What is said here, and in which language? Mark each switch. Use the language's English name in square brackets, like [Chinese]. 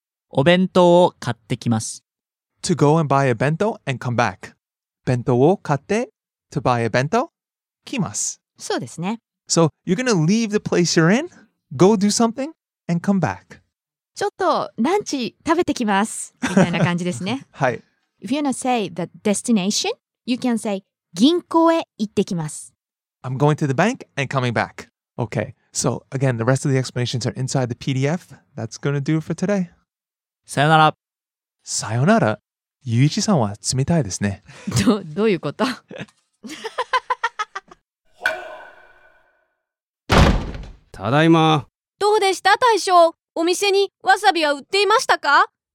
[Japanese] お弁当を買ってきます. [English] To go and buy a bento and come back. [Japanese] 弁当を買って, [English] to buy a bento, [Japanese] 来ます. そうですね. [English] So you're going to leave the place you're in, go do something, and come back. [Japanese] ちょっとランチ食べてきますみたいな感じですね。はい。 [English] If you want to say the destination, you can say [Japanese] 銀行へ行ってきます。 [English] I'm going to the bank and coming back. Okay, so again, the rest of the explanations are inside the PDF. That's going to do it for today. [Japanese] さよなら。さよなら。ゆういちさんは冷たいですね。どういうこと？ただいま。どうでした、大将？お店にわさびは売っていましたか？